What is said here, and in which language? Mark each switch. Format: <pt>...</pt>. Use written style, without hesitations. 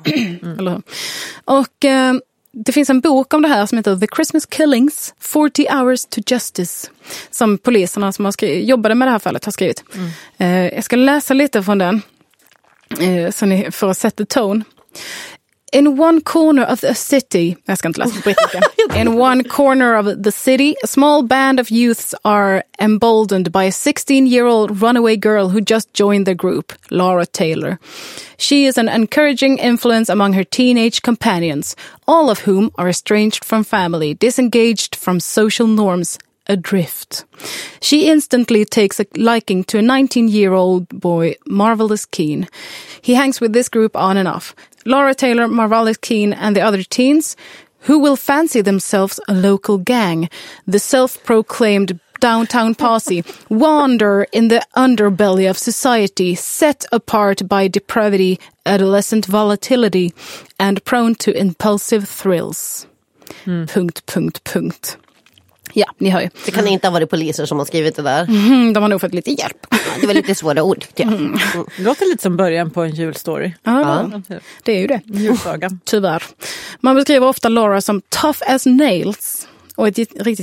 <sv>Mm. Eller hur? Och det finns en bok om det här som heter The Christmas Killings, 40 Hours to Justice. Som poliserna som har jobbade med det här fallet har skrivit. Mm. Jag ska läsa lite från den så ni får sätta ton.</sv> <en>In one corner of the city,</en> <sv>jag ska inte läsa på brittiska.</sv> <en>In one corner of the city, a small band of youths are emboldened by a 16-year-old runaway girl who just joined the group, Laura Taylor. She is an encouraging influence among her teenage companions, all of whom are estranged from family, disengaged from social norms, adrift. She instantly takes a liking to a 19-year-old boy, Marvelous Keen. He hangs with this group on and off. Laura Taylor, Marvelous Keen, and the other teens, who will fancy themselves a local gang, the self-proclaimed downtown posse, wander in the underbelly of society, set apart by depravity, adolescent volatility, and prone to impulsive thrills.</en> <sv>Mm. Punkt, punkt, punkt. Ja, ni hör ju. Det kan inte ha varit poliser som har skrivit det där. Mm, de har nog fått lite hjälp. Det var lite svåra ord, tycker jag. Mm. Det låter lite som början på en julstory. Ja, det är ju det. Julsaga. Tyvärr. Man beskriver ofta Laura som</sv> <en>tough as nails.</en> <sv>Och ett riktigt</sv>